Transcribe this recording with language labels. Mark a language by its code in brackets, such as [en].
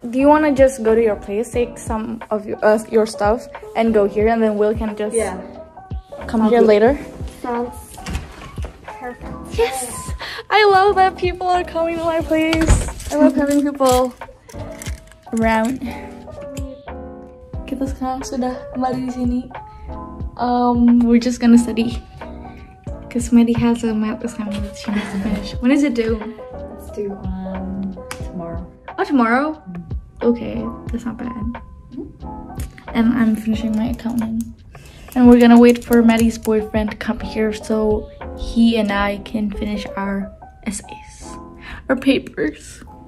[en] Do you want to just go to your place, take some of your stuff, and go here, and then Will can just come here later? Perfect. Yes! I love that people are coming to my place. I love having people around. [id] Kita sekarang sudah kembali di sini. [en] We're just gonna study. Because Maddie has a math assignment that she needs to finish. When is it due? It's due tomorrow. Oh, tomorrow? Mm. Okay, that's not bad. And I'm finishing my accounting. And we're gonna wait for Maddie's boyfriend to come here so he and I can finish our essays, our papers.